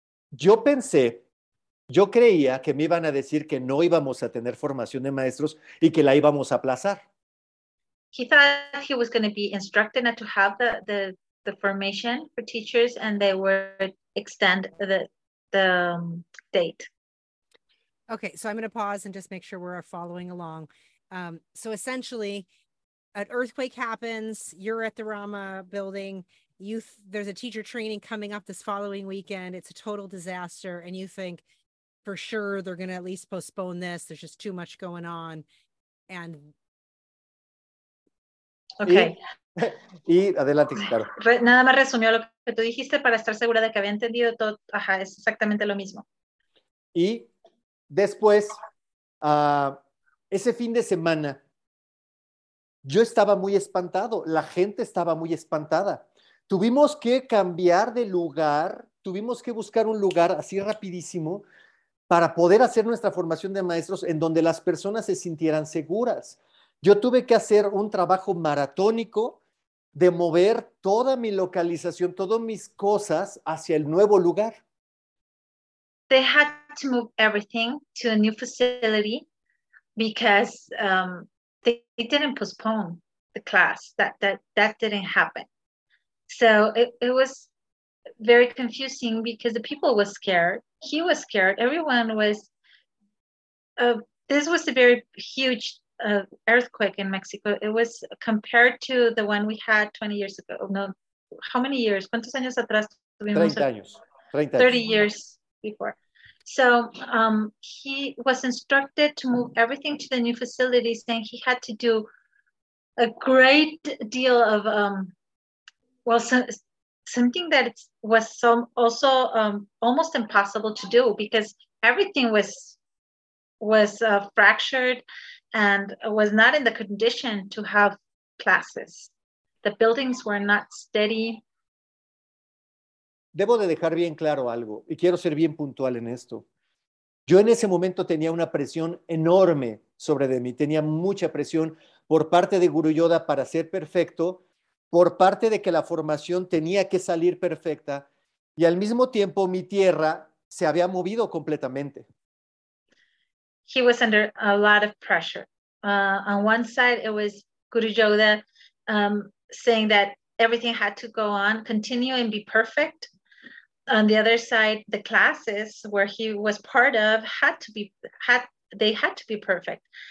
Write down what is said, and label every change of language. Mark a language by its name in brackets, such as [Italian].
[Spanish] Yo pensé, yo creía que me iban a decir que no íbamos a tener formación de maestros y que la íbamos a aplazar. [English] He thought he was going to be instructed not to have the formation for teachers and they would extend the date. Okay, so I'm going to pause and just make sure we're following along. So essentially, an earthquake happens, you're at the Rama building, there's a teacher training coming up this following weekend, it's a total disaster, and you think, for sure, they're going to at least postpone this, there's just too much going on, and... Okay. [Spanish] Y adelante, claro. Nada más resumió lo que tú dijiste para estar segura de que había entendido todo. Ajá, es exactamente lo mismo. Y después, ese fin de semana, yo estaba muy espantado. La gente estaba muy espantada. Tuvimos que cambiar de lugar. Tuvimos que buscar un lugar así rapidísimo para poder hacer nuestra formación de maestros en donde las personas se sintieran seguras. Yo tuve que hacer un trabajo maratónico de mover toda mi localización, todas mis cosas hacia el nuevo lugar. [English] They had to move everything to a new facility because they didn't postpone the class. That didn't happen. So it was very confusing because the people were scared. He was scared. Everyone was. This was a very huge earthquake in Mexico. It was compared to the one we had 20 years ago. No, how many years? [Spanish] ¿Cuántos años atrás tuvimos? 30 años. 30 años. [English] 30 years before. So he was instructed to move everything to the new facilities, and he had to do a great deal of, something that was almost impossible to do because everything was fractured and was not in the condition to have classes. The buildings were not steady. [Spanish] Debo de dejar bien claro algo, y quiero ser bien puntual en esto. Yo en ese momento tenía una presión enorme sobre de mí, tenía mucha presión por parte de Guru Yoda para ser perfecto, por parte de que la formación tenía que salir perfecta, y al mismo tiempo mi tierra se había movido completamente. [English] He was under a lot of pressure. On one side, it was Guru Yoda saying that everything had to go on, continue and be perfect. On the other side, the classes where he was part of had to be perfect.